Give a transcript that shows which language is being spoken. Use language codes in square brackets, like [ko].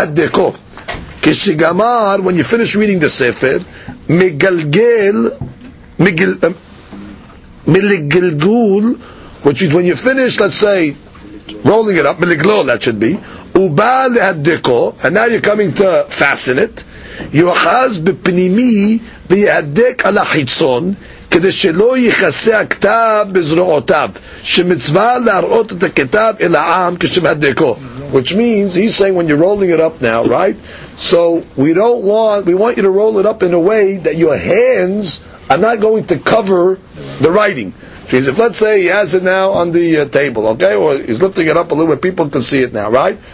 [en] When you finish reading the sefer, megilgul, which is when you finish, let's say, rolling it up, megilgul, that should be, ubal haddeko, and now you're coming to fasten it. [he] יוחז בפנימי ויעדק על החיצון כדי שלא יחסה הכתב בזרועותיו שמצווה להראות את הכתב אל העם כשמעדקו. [en] Which means, he's saying when you're rolling it up now, right? So we want you to roll it up in a way that your hands are not going to cover the writing. If let's say he has it now on the table, okay? Or he's lifting it up a little bit, people can see it now, right?